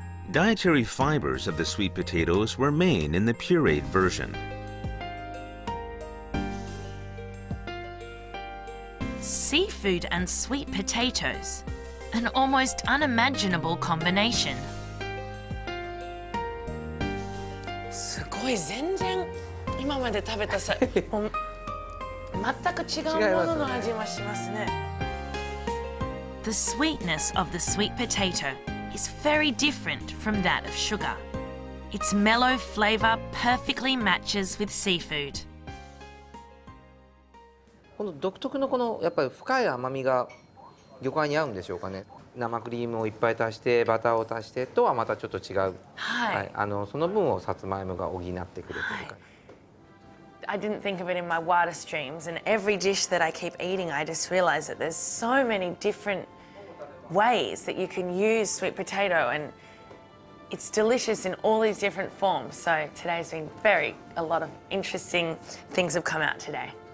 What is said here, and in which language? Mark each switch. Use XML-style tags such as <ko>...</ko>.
<en>Dietary fibers of the sweet potatoes remain in the pureed version. Seafood and sweet potatoes, an almost unimaginable combination.</en> <ja>すごい、全然今まで食べたさ、全く違うものの味はしますね。</ja> <en>The sweetness of the sweet potato. Is very different from that of sugar. Its mellow flavor perfectly matches with seafood.</en> <ja>この独特のこのやっぱり深い甘みが魚介に合うんでしょうかね。生クリームをいっぱい足してバターを足してとはまたちょっと違う。はい。はい、あのその分をさつまいもが補ってくれてるか。</ja> <en>I didn't think of it in my wildest dreams, and every dish that I keep eating, I just realize that there's so many different. Ways that you can use sweet potato, and it's delicious in all these different forms. So today's been a lot of interesting things have come out today.</en>